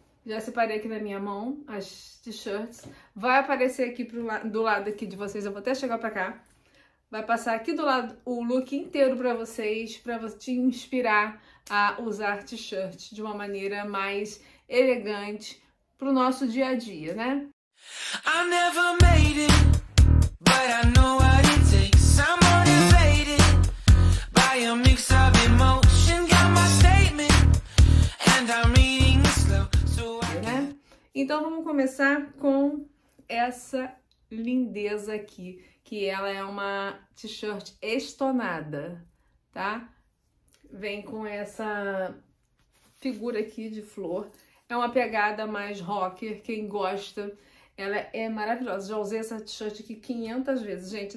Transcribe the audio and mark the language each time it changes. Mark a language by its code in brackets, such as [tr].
[pt] Já separei aqui na minha mão as t-shirts. Vai aparecer aqui do lado aqui de vocês. Eu vou até chegar para cá. Vai passar aqui do lado o look inteiro para vocês, para te inspirar a usar t-shirt de uma maneira mais elegante para o nosso dia a dia, né? [en] I never made it, but I know what it takes. I'm motivated by a mix of emotion. Got my statement, and I'm reading slow, so I can... [pt] Então vamos começar com essa lindeza aqui, que ela é uma t-shirt estonada, tá? Vem com essa figura aqui de flor. É uma pegada mais rocker, quem gosta. Ela é maravilhosa. Já usei essa t-shirt aqui 500 vezes, gente.